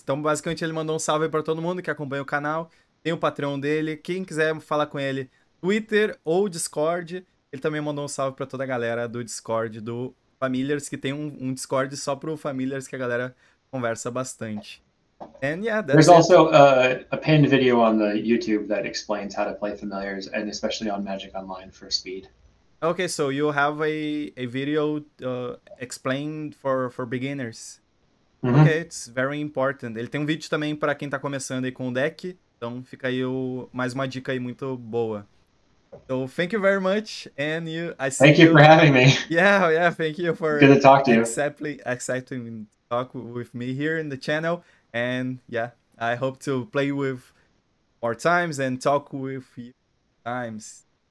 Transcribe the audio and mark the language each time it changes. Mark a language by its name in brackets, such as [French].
[Portuguese] Então, basicamente, ele mandou um salve para todo mundo que acompanha o canal. Tem o Patreon dele. Quem quiser falar com ele, Twitter ou Discord. Ele também mandou um salve para toda a galera do Discord do Familiars, que tem um Discord só pro Familiars, que a galera conversa bastante. [English] And yeah, there's also a pinned video on the YouTube that explains how to play Familiars, and especially on Magic Online for speed. Okay, so you have a video explained for beginners. Mm-hmm. Okay, it's very important. [Portuguese] Ele tem um vídeo também para quem tá começando aí com o deck. Então fica aí mais uma dica aí muito boa. [English] So thank you very much, and thank you for having me. Yeah, thank you for good to talk to you. Accepting talk with me here in the channel. And yeah, I hope to play with more times and talk with you times.